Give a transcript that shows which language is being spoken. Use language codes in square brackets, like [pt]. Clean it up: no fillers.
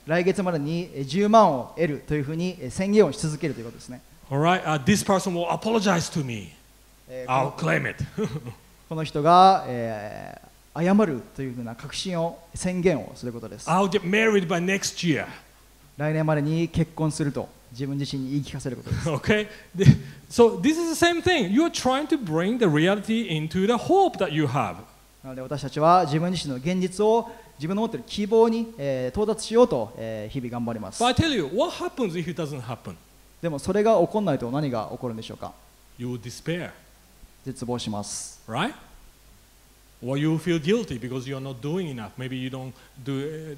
[ja] 来月までに10万を得るというふうに宣言をし続けるということですね。 [en] All right, this person will apologize to me. I'll claim it. [ja] この人が、謝るというふうな確信を宣言をすることです。 [en] I'll get married by next year. [ja] 来年までに結婚すると自分自身に言い聞かせることです。 [en] Okay, so this is the same thing. You are trying to bring the reality into the hope that you have. [ja] なので私たちは自分自身の現実を自分の持っている希望に、到達しようと、日々頑張ります。 [en] But I tell you, what happens if it doesn't happen? [ja] でもそれが起こらないと何が起こるんでしょうか。 [en] You will despair. [ja] 絶望します。 [en] Right? Or you will feel guilty because you are not doing enough. Maybe you don't do.